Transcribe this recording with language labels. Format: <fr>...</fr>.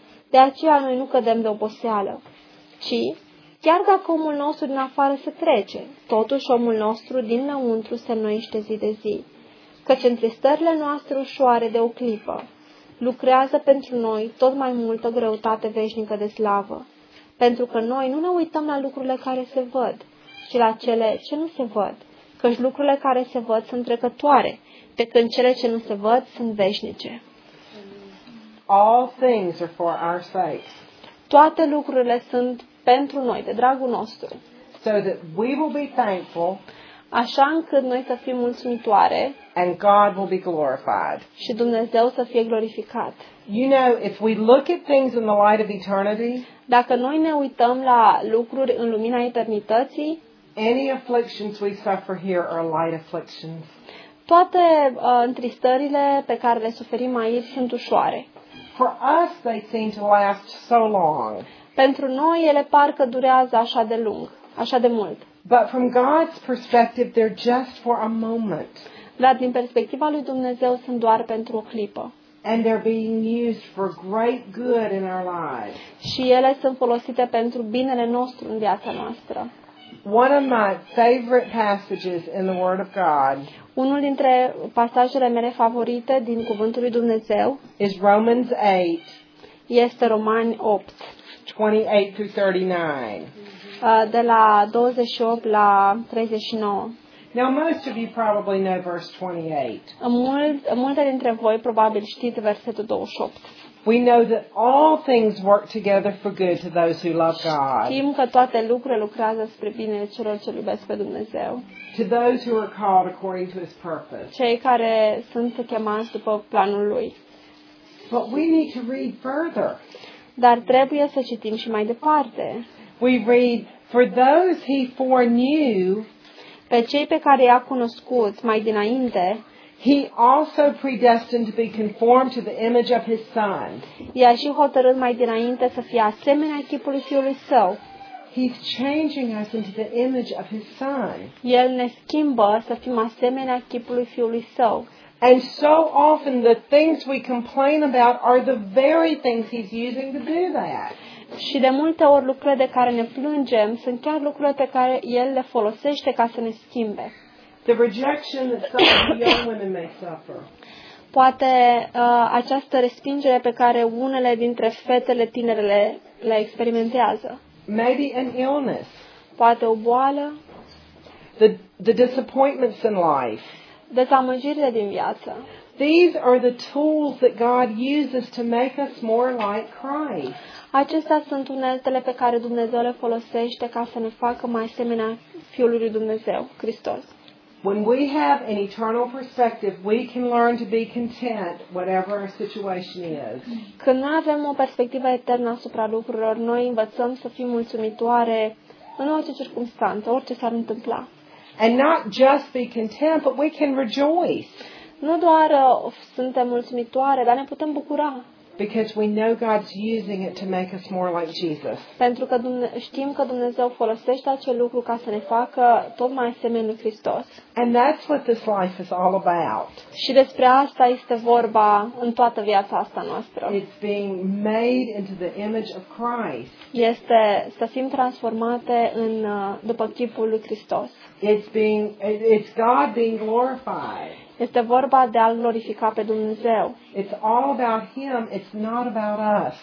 <ro>De aceea noi nu cădem de oboseală, ci, chiar dacă omul nostru din afară se trece, totuși omul nostru dinăuntru se înnoiește zi de zi, căci întristările noastre ușoare de o clipă lucrează pentru noi tot mai multă greutate veșnică de slavă. Pentru că noi nu ne uităm la lucrurile care se văd, ci la cele ce nu se văd, căci lucrurile care se văd sunt trecătoare, pe când cele ce nu se văd sunt veșnice.</ro> <en>All things are for our sake.</en> <ro>Toate lucrurile sunt pentru noi, de dragul nostru.</ro> <en>So that we will be thankful,</en> <ro>așa încât noi să fim mulțumitoare,</ro> <en>and God will be glorified.</en> <ro>Și Dumnezeu să fie glorificat.</ro> <en>You know, if we look at things in the light of eternity,</en> <ro>dacă noi ne uităm la lucruri în lumina eternității,</ro> <en>any afflictions we suffer here are light afflictions.</en> <ro>Toate întristările pe care le suferim aici sunt ușoare.</ro> <en>For us they seem to last so long.</en> <ro>Pentru noi ele parcă durează așa de lung, așa de mult.</ro> <en>But from God's perspective they're just for a moment.</en> <ro>Dar din perspectiva lui Dumnezeu sunt doar pentru o clipă.</ro> <en>And they're being used for great good in our lives.</en> <ro>Și ele sunt folosite pentru binele nostru în viața noastră.</ro> <en>One of my favorite passages in the Word of God.</en> <ro>Unul dintre pasajele mele favorite din cuvântul lui Dumnezeu.</ro> <en>Is Romans 8.</en> <ro>Este Romani 8.</ro> <en>28-39.</en> <ro>De la 28 la 39.</ro> <en>Now most of you probably know verse 28.</en> <ro>Multe dintre voi probabil știți versetul 28.</ro> <en>We know that all things work together for good to those who love God.</en> <ro>Știm că toate lucrurile lucrează spre binele celor ce iubesc pe Dumnezeu.</ro> <en>To those who are called according to His purpose.</en> <ro>Cei care sunt chemați după planul Lui.</ro> <en>But we need to read further.</en> <ro>dar trebuie să citim și mai departe.</ro> <en>We read, for those he foreknew,</en> <ro>pe cei pe care i-a cunoscut mai dinainte,</ro> <en>he also predestined to be conformed to the image of his son.</en> <ro>I-a și hotărât mai dinainte să fie asemenea chipului fiului său.</ro> <en>He's changing us into the image of his son.</en> <ro>El ne schimbă să fim asemenea chipului fiului său.</ro> <en>And so often the things we complain about are the very things he's using to do that.</en> <ro>Și de multe ori lucrurile de care ne plângem sunt chiar lucrurile pe care el le folosește ca să ne schimbe.</ro> <en>The rejection that some of the young women may suffer.</en> <ro>Poate această respingere pe care unele dintre fetele tinere le experimentează.</ro> <en>Maybe an illness.</en> <ro>Poate o boală.</ro> <en>The disappointments in life.</en> <ro>Dezamăgirile din viață.</ro> <en>These are the tools that God uses to make us more like Christ.</en> <ro>Acestea sunt uneltele pe care Dumnezeu le folosește ca să ne facă mai asemenea Fiului lui Dumnezeu, Hristos.</ro> <en>When we have an eternal perspective, we can learn to be content whatever our situation is.</en> <ro>Când noi avem o perspectivă eternă asupra lucrurilor, noi învățăm să fim mulțumitoare în orice circunstanță, orice s-ar întâmpla.</ro> <en>And not just be content, but we can rejoice.</en> <ro>Nu doar suntem mulțumitoare, dar ne putem bucura.</ro> <en>Because we know God's using it to make us more like Jesus.</en> <ro>Pentru că știm că Dumnezeu folosește acel lucru ca să ne facă tot mai asemeni lui Hristos.</ro> <en>And that's what this life is all about.</en> <ro>Și despre asta este vorba în toată viața asta noastră.</ro> <en>It's being made into the image of Christ.</en> <ro>Este să fim transformate în după chipul lui Hristos.</ro> <en>It's God being glorified.</en> <ro>Este vorba de a-L glorifica pe Dumnezeu.</ro> <en>It's all about him, it's not about us.</en>